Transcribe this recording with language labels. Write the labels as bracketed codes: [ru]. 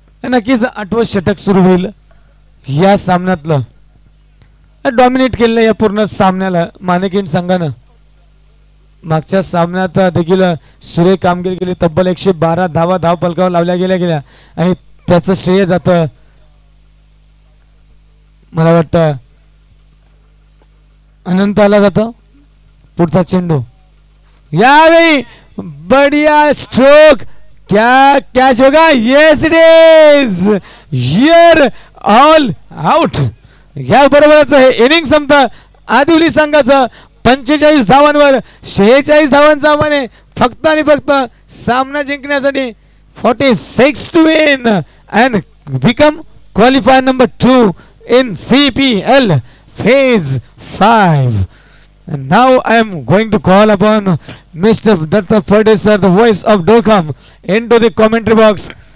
[mr] नक्कीच आठवं षटक सुरू होईल या सामन्यातलं। डॉमिनेट केलं या पूर्ण सामन्याला माणिकगंज संघानं। मागच्या सामन्यात देखील सुरे कामगिरी केली, तब्बल 112 धावा धावपळकावर लावल्या गेल्या आणि त्याचं श्रेय जातं मला वाटतं अनंताला जातं। पुढचा चेंडू या वेळी बढिया स्ट्रोक, [hi] क्या कैच होगा? [en] Yes it is, here all out. [mr] या बरोबरच हे इनिंग संपत। आदिवली संघाच 45 धावांवर 46 धावांचा माने फक्त आणि फक्त सामना जिंकण्यासाठी 46 [en] To win and become qualifier number 2 in CPL phase 5। Now I am going to call upon Mr. Datta Pardes sir, the voice of Dokham, into the commentary box.